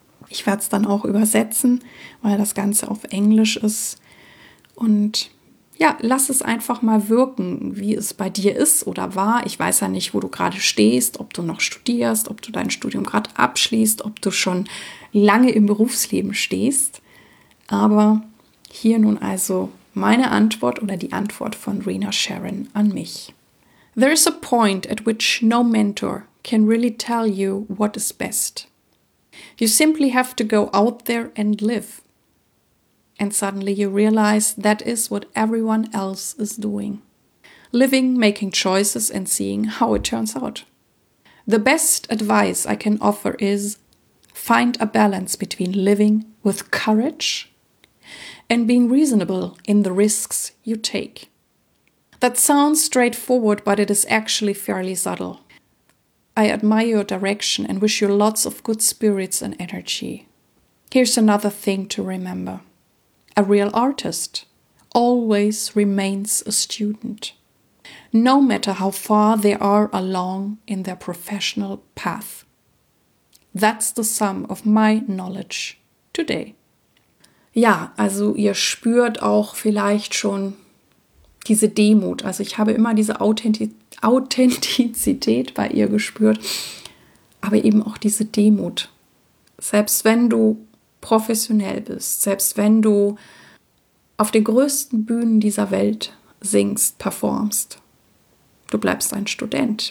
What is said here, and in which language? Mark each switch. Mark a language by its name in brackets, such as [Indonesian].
[German] Ich werde es dann auch übersetzen, weil das Ganze auf Englisch ist, und ja, lass es einfach mal wirken, wie es bei dir ist oder war. Ich weiß ja nicht, wo du gerade stehst, ob du noch studierst, ob du dein Studium gerade abschließt, ob du schon lange im Berufsleben stehst. Aber hier nun also meine Antwort oder die Antwort von Rena Sharon an mich. [English] There is a point at which no mentor can really tell you what is best. You simply have to go out there and live. And suddenly you realize that is what everyone else is doing. Living, making choices, and seeing how it turns out. The best advice I can offer is find a balance between living with courage and being reasonable in the risks you take. That sounds straightforward, but it is actually fairly subtle. I admire your direction and wish you lots of good spirits and energy. Here's another thing to remember. A real artist always remains a student, no matter how far they are along in their professional path. That's the sum of my knowledge today. [German] Ja, also ihr spürt auch vielleicht schon diese Demut. Also ich habe immer diese Authentizität bei ihr gespürt, aber eben auch diese Demut. Selbst wenn du professionell bist, selbst wenn du auf den größten Bühnen dieser Welt singst, performst, du bleibst ein Student.